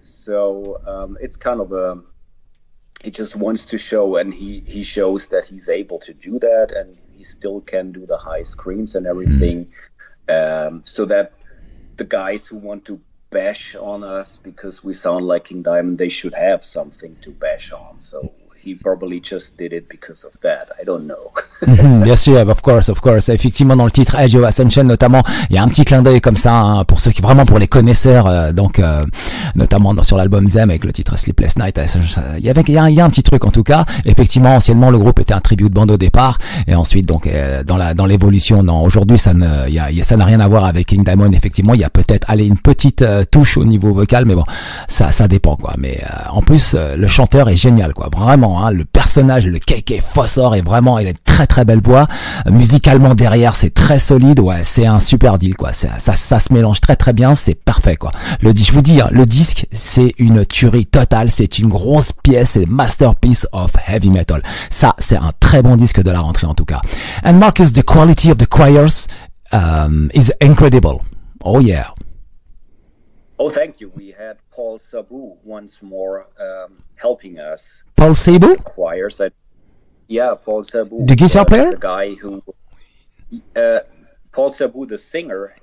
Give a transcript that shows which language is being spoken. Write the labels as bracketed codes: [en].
[en] So it's kind of a, he just wants to show, and he shows that he's able to do that, and he still can do the high screams and everything. So that the guys who want to bash on us because we sound like King Diamond, they should have something to bash on. So he probably just did it because of that. I don't know. [fr] Bien sûr, [en] of course. [fr] Effectivement, dans le titre Age of Ascension, notamment, il y a un petit clin d'œil comme ça, hein, pour ceux qui, vraiment pour les connaisseurs, notamment dans, sur l'album Zem avec le titre Sleepless Night, il y a un petit truc en tout cas. Effectivement, anciennement, le groupe était un tribute band au départ, et ensuite, donc, dans l'évolution, non, aujourd'hui, ça n'a rien à voir avec King Diamond. Effectivement, il y a peut-être, allez, une petite touche au niveau vocal, mais bon, ça dépend, quoi. Mais, en plus, le chanteur est génial, quoi. Vraiment, hein, le personnage, le KK Fossor est vraiment, il est très, très belle voix, musicalement derrière c'est très solide, ouais c'est un super deal quoi, ça se mélange très très bien, c'est parfait quoi, je vous dis, hein, le disque c'est une tuerie totale, c'est une grosse pièce, c'est [en] masterpiece of heavy metal, [fr] ça c'est un très bon disque de la rentrée en tout cas. [en] And Markus, the quality of the choirs is incredible, oh yeah. Oh thank you, we had Paul Sabu once more helping us. Paul Sabu? Choirs, yeah, Paul Sabu. The guitar player? The guy who... Paul Sabu, the singer.